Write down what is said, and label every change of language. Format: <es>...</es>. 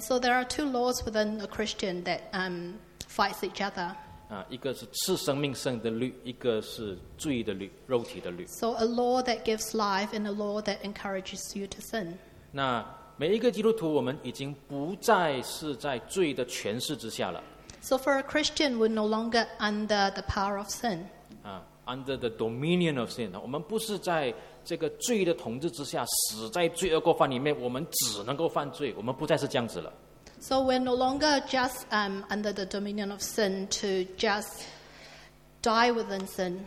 <en>so there are two laws within a Christian that fights each other.</en> <zh>一个是赐生命圣的律，一个是罪的律，肉体的律。</zh> <en>So a law that gives life and a law that encourages you to sin.</en> <zh>那每一个基督徒，我们已经不再是在罪的权势之下了。</zh> <en>So for a Christian, we're no longer under the power of sin. Under the dominion of sin.</en> <zh>我们不是在这个罪的统治之下，死在罪恶过犯里面，我们只能够犯罪，我们不再是这样子了。</zh> <en>So we're no longer just under the dominion of sin to just die within sin.</en>